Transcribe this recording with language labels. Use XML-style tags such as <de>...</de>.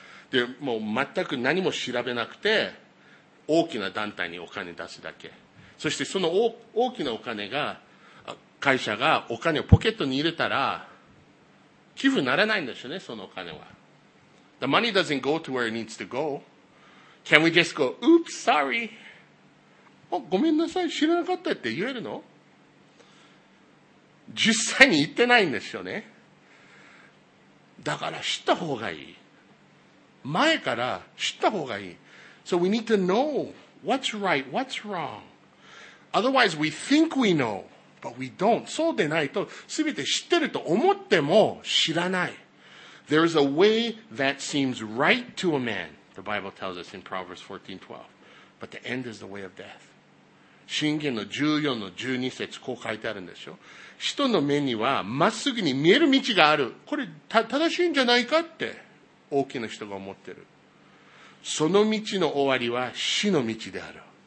<ja>で、もう全く何も調べなくて、大きな団体にお金出すだけ。そしてその 大きなお金が、会社がお金をポケットに入れたら、寄付にならないんですよね、そのお金は。</ja> <en>The money doesn't go to where it needs to go. Can we just go, oops, sorry.</en> <ja>ごめんなさい、知らなかったって言えるの？実際に言ってないんですよね。だから知った方がいい。前から知った方がいい。</ja> <en>So we need to know what's right, what's wrong. Otherwise we think we know, but we don't.</en> <ja>そうでないと、すべて知ってると思っても知らない。</ja> <en>There is a way that seems right to a man, the Bible tells us in Proverbs 14:12. But the end is the way of death.</en> <ja>箴言の14の12節こう書いてあるんですよ。人の目にはまっすぐに見える道がある。これ正しいんじゃないかって大きな人が思ってる。その道の終わりは死の道である。</ja>